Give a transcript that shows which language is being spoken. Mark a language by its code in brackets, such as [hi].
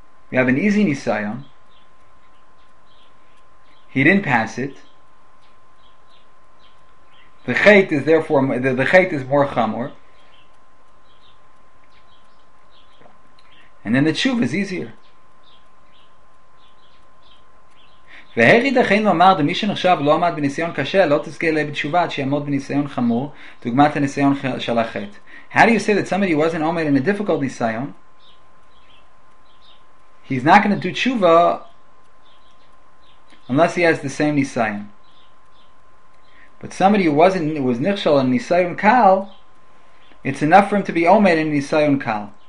[en] We have an easy nisayon. He didn't pass it. The chait is therefore the chait is more chamor, and then the tshuva is easier. [he] והרי דחיין ואמר, דמי שנחשב לא עמד בניסיון קשה, לא תזכה אליי בתשובה עד שיעמוד בניסיון חמור, דוגמת הניסיון של החטא. [en] How do you say that somebody wasn't עומד in a difficult ניסיון? He's not going to do תשובה unless he has the same ניסיון. But somebody who wasn't, was נחשב in ניסיון קל, it's enough for him to be עומד in ניסיון קל.